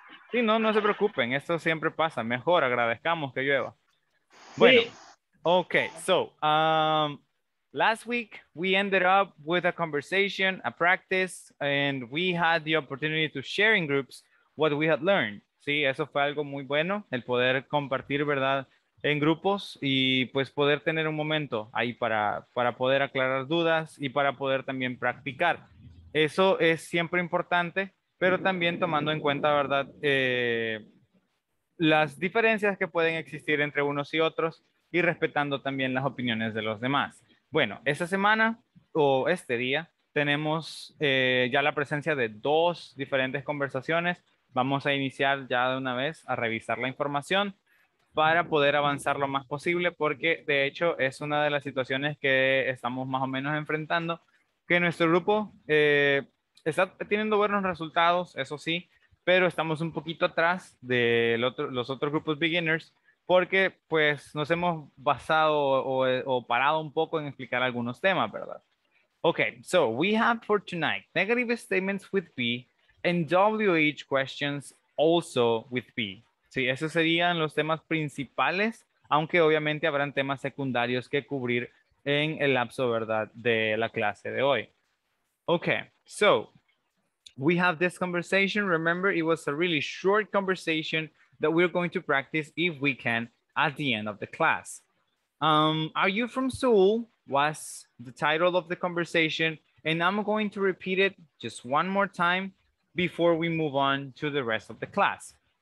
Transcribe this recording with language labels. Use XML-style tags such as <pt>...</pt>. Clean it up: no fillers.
<es>Sí, no se preocupen, esto siempre pasa, mejor agradezcamos que llueva.</es> <en>Bueno, ok, so, last week we ended up with a conversation, a practice, and we had the opportunity to share in groups what we had learned.</en> <es>Sí, eso fue algo muy bueno, el poder compartir, ¿verdad?, en grupos y pues poder tener un momento ahí para poder aclarar dudas y para poder también practicar. Eso es siempre importante, pero también tomando en cuenta, ¿verdad?, las diferencias que pueden existir entre unos y otros y respetando también las opiniones de los demás. Bueno, esta semana o este día tenemos ya la presencia de dos diferentes conversaciones. Vamos a iniciar ya de una vez a revisar la información para poder avanzar lo más posible, porque de hecho es una de las situaciones que estamos más o menos enfrentando, que nuestro grupo está teniendo buenos resultados, eso sí, pero estamos un poquito atrás de los otros grupos beginners, porque pues nos hemos basado o parado un poco en explicar algunos temas, ¿verdad?</es> <en>Okay, so we have for tonight negative statements with be and WH questions also with be.</en> <es>Sí, esos serían los temas principales, aunque obviamente habrán temas secundarios que cubrir en el lapso, ¿verdad?, de la clase de hoy.</es> <en>Okay, so we have this conversation. Remember, it was a really short conversation that we're going to practice if we can at the end of the class. Are you from Seoul? Was the title of the conversation. And I'm going to repeat it just one more time before we move on to the rest of the class.</en>